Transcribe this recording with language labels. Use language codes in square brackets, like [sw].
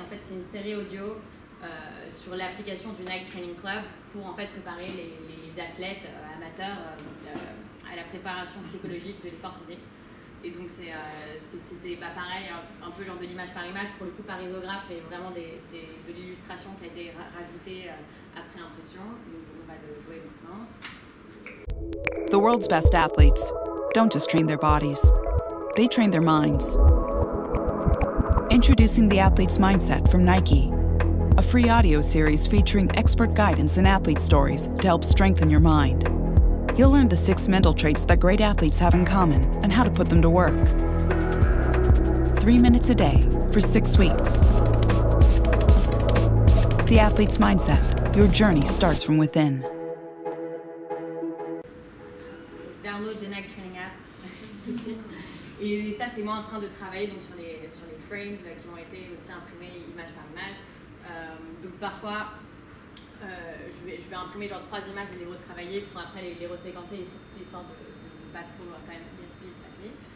[fr] En fait, c'est une série audio sur l'application du Nike Training Club pour en fait préparer les athlètes amateurs à la préparation psychologique de l'effort physique. Et donc c'était pareil, un peu genre de l'image par image, pour le coup par isographe, mais vraiment de l'illustration qui a été rajoutée après impression. Donc on va le jouer maintenant. [en] The world's best athletes don't just train their bodies, they train their minds. Introducing the Athlete's Mindset from Nike, a free audio series featuring expert guidance and athlete stories to help strengthen your mind. You'll learn the 6 mental traits that great athletes have in common and how to put them to work. 3 minutes a day for 6 weeks. The Athlete's Mindset, your journey starts from within. Download the Nike Training app. [fr] Et ça, c'est moi en train de travailler donc sur les frames là, qui ont été aussi imprimés image par image. Donc parfois, je vais imprimer genre 3 images et les retravailler pour après les reséquencer histoire de ne pas trop quand même gaspiller le papier.